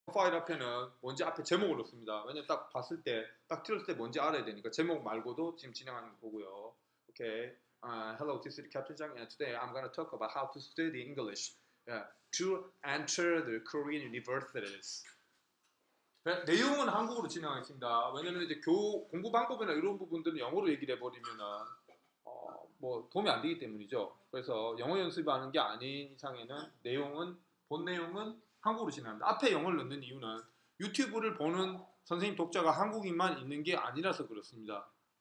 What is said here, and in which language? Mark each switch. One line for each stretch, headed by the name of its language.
Korean: 파일 앞에는 뭔지 앞에 제목을 넣습니다. 왜냐면 딱 봤을 때, 딱 틀었을 때 뭔지 알아야 되니까 제목 말고도 지금 진행하는 거 보고요. 오케이.
English: Hello, this is Captain Zhang, and today I'm going to talk about how to study English to enter the Korean universities.
Korean: 내용은 한국어로 진행하겠습니다. 왜냐면 이제 공부 방법이나 이런 부분들은 영어로 얘기를 해버리면은 뭐 도움이 안 되기 때문이죠. 그래서 영어 연습하는 게 아닌 이상에는 내용은 본 내용은 한국어로 진행합니다. 앞에 영어를 넣는 이유는 유튜브를 보는 선생님 독자가 한국인만 있는 게 아니라서 그렇습니다.